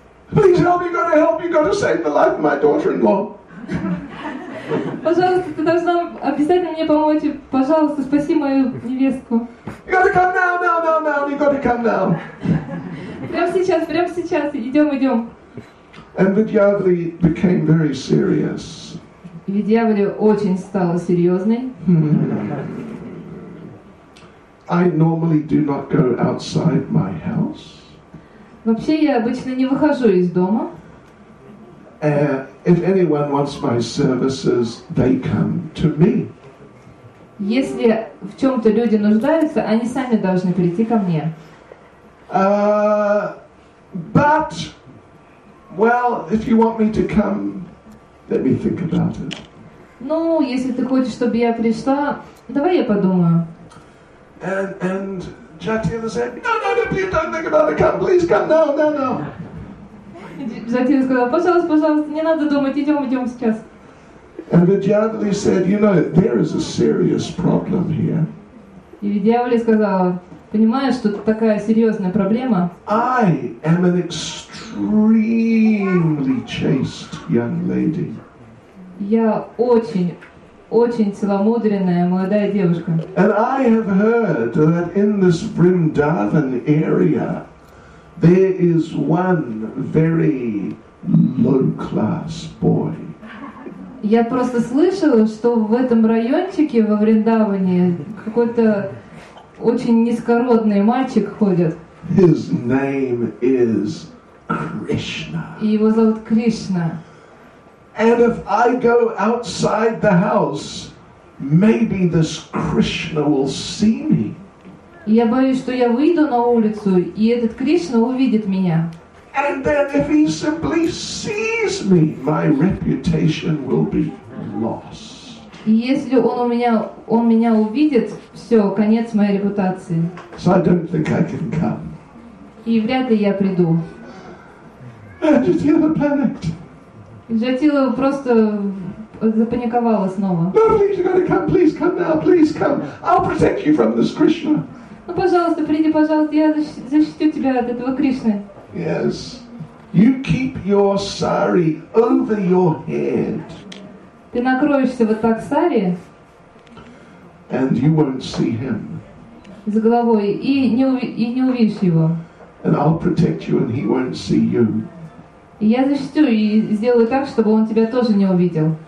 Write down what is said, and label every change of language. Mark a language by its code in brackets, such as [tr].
[en] Please help me, you gotta help me, you gotta save the life of my daughter-in-law. [ru] Пожалуйста, ты должна обязательно мне помочь. Пожалуйста, спаси мою невестку. [en] You gotta come now. You gotta come now. [ru] Прямо сейчас. Идем. [en] And Vidyavali became very serious. [ru] Vidyavali очень стала серьезной. [en] I normally do not go outside my house. [ru] Вообще, я обычно не выхожу из дома. [en] If anyone wants my services, they come to me. [ru] Если в чем-то люди нуждаются, они сами должны прийти ко мне. [en] But, well, if you want me to come, let me think about it. [ru] Ну, если ты хочешь, чтобы я пришла, давай я подумаю. [en] And Jatila said, no, please don't think about it. Come, please come now. [ru] Джатила сказала, пожалуйста, не надо думать, идем сейчас. [en] And Vidyavali said, you know, there is a serious problem here. [ru] И Vidyavali сказала, понимаешь, тут такая серьезная проблема. [en] I am an extremely chaste young lady. [ru] Я очень целомудренная молодая девушка. [en] And I have heard that in this Vrindavan area there is one very low-class boy. [ru] Я просто слышала, что в этом райончике во Вриндаване какой-то очень низкородный мальчик ходит. [en] His name is Krishna. [ru] И его зовут Кришна. [en] And if I go outside the house, maybe this Krishna will see me. [ru] Я боюсь, что я выйду на улицу, и этот Кришна увидит меня. [en] And then if he simply sees me, my reputation will be lost. [ru] И если он меня увидит, все, конец моей репутации. [en] So I don't think I can come. [ru] И вряд ли я приду. [en] And Jatila panicked. [ru] Джатила просто запаниковала снова. [en] No, please, you gotta come, please come now, please come. I'll protect you from this Krishna. [ru] Ну, пожалуйста, приди, пожалуйста, я защищу тебя от этого Кришны. [en] Yes. You keep your sari over your head. [ru] Ты накроешься вот так сари. [en] And you won't see him. [ru] С головой и не увидишь его. [en] And I'll protect you and he won't see you. [ru] Я защищу и сделаю так, чтобы он тебя тоже не увидел.